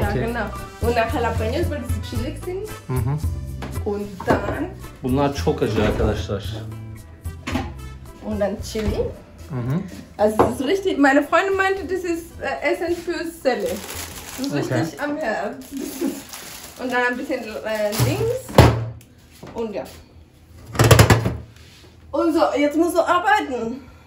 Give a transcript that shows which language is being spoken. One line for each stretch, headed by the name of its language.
German: Ja, genau. Und dann Jalapenos, weil sie chillig sind. Mhm. Und dann...
Turkish: Bunlar çok acı arkadaşlar.
German: Und dann Chili. Mhm. Also es ist richtig... Meine Freundin meinte, das ist Essen für Selle. Das ist okay. Richtig am Herd. Und dann ein bisschen links. Und ja. Und so, jetzt musst du arbeiten.